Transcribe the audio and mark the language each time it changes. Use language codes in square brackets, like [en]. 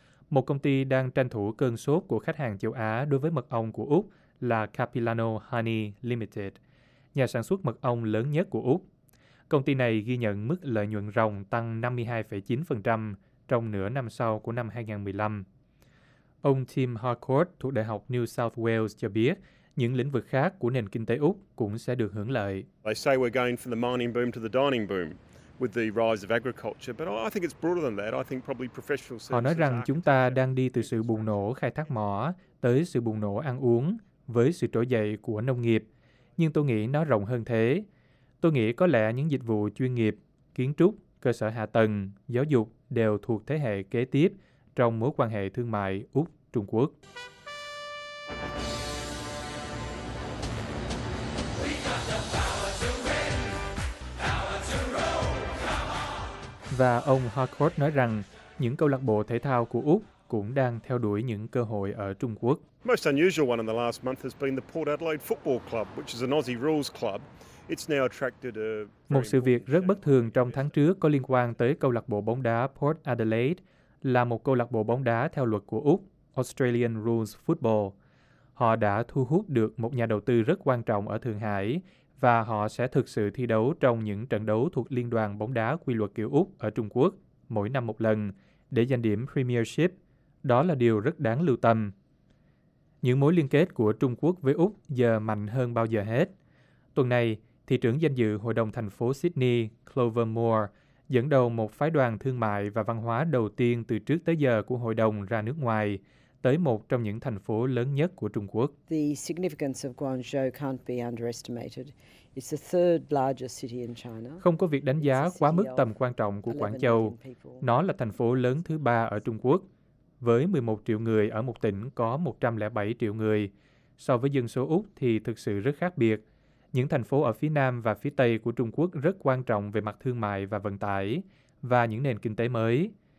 [vi] một công ty đang tranh thủ cơn sốt của khách hàng châu Á đối với mật ong của Úc là Capilano Honey Limited, nhà sản xuất mật ong lớn nhất của Úc. Công ty này ghi nhận mức lợi nhuận ròng tăng 52,9% trong nửa năm sau của năm 2015. Ông Tim Harcourt thuộc Đại học New South Wales cho biết những lĩnh vực khác của nền kinh tế Úc cũng sẽ được hưởng lợi. [en] They say we're going from the mining boom to the dining boom with the rise of agriculture, but I think it's broader than that. I think probably professional services. [vi] Họ nói rằng chúng ta đang đi từ sự bùng nổ khai thác mỏ tới sự bùng nổ ăn uống với sự trỗi dậy của nông nghiệp, nhưng tôi nghĩ nó rộng hơn thế. Tôi nghĩ có lẽ những dịch vụ chuyên nghiệp, kiến trúc, cơ sở hạ tầng, giáo dục đều thuộc thế hệ kế tiếp trong mối quan hệ thương mại Úc-Trung Quốc. Và ông Harcourt nói rằng những câu lạc bộ thể thao của Úc cũng đang theo đuổi những cơ hội ở Trung Quốc. [en] Most unusual one in the last month has been the Port Adelaide Football Club, which is an Aussie rules club. It's now attracted a [vi] Một sự việc rất bất thường trong tháng trước có liên quan tới câu lạc bộ bóng đá Port Adelaide, là một câu lạc bộ bóng đá theo luật của Úc, Australian Rules Football. Họ đã thu hút được một nhà đầu tư rất quan trọng ở Thượng Hải và họ sẽ thực sự thi đấu trong những trận đấu thuộc liên đoàn bóng đá quy luật kiểu Úc ở Trung Quốc mỗi năm một lần để giành điểm Premiership. Đó là điều rất đáng lưu tâm. Những mối liên kết của Trung Quốc với Úc giờ mạnh hơn bao giờ hết. Tuần này, thị trưởng danh dự Hội đồng thành phố Sydney, Clover Moore, dẫn đầu một phái đoàn thương mại và văn hóa đầu tiên từ trước tới giờ của hội đồng ra nước ngoài, tới một trong những thành phố lớn nhất của Trung Quốc. [en] The significance of Guangzhou can't be underestimated. It's the third largest city in China. [vi] Không có việc đánh giá quá mức tầm quan trọng của Quảng Châu. Nó là thành phố lớn thứ ba ở Trung Quốc, với 11 triệu người ở một tỉnh có 107 triệu người. So với dân số Úc thì thực sự rất khác biệt. Những thành phố ở phía Nam và phía Tây của Trung Quốc rất quan trọng về mặt thương mại và vận tải và những nền kinh tế mới.